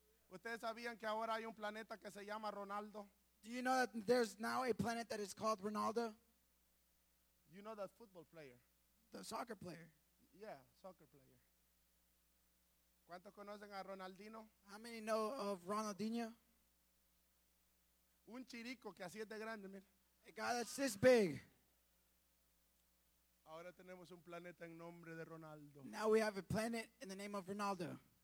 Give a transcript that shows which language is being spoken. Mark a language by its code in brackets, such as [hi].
[es] ¿Ustedes sabían que ahora hay un planeta que se llama Ronaldo? [en] Do you know that there's now a planet that is called Ronaldo? You know that football player? The soccer player. Yeah, soccer player. [es] ¿Cuántos conocen a Ronaldinho? [en] How many know of Ronaldinho? [es] Un chirico que así es de grande, mira. [en] A guy that's this big. [es] Ahora tenemos un planeta en nombre de Ronaldo. [en] Now we have a planet in the name of Ronaldo.